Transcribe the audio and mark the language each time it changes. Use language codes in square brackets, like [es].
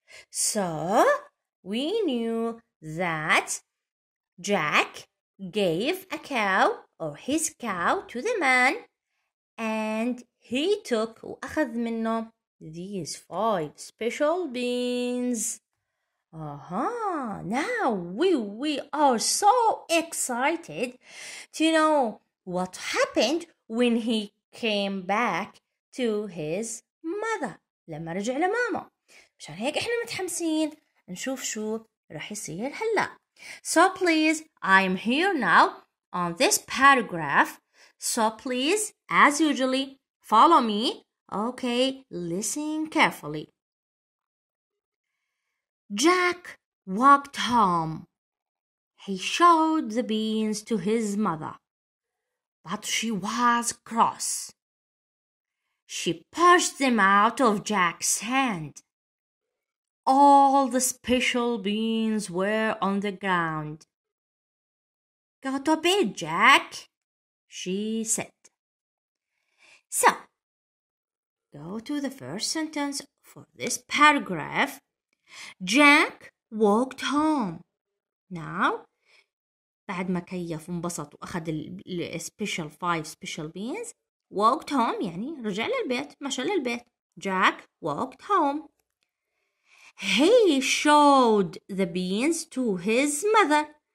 [en] So, we knew that Jack gave a cow or his cow to the man and he took [ar] وأخذ منه [en] these 5 special beans. Now we are so excited to know what happened when he came back to his mother. [ar] لما رجع لماما. عشان هيك احنا متحمسين نشوف شو رح يصير هلا. [en] So please, I'm here now on this paragraph. So please, as usually, follow me. Okay, listen carefully. Jack walked home. He showed the beans to his mother, but she was cross. She pushed them out of Jack's hand. All the special beans were on the ground. "Go to bed, Jack," she said. So, go to the first sentence for this paragraph. Jack walked home. [ar] Now, بعد ما كيف انبسط واخذ الـ special beans, [en] walked home, [ar] يعني رجع للبيت, مشى للبيت. [en] Jack walked home. He showed the beans to his mother.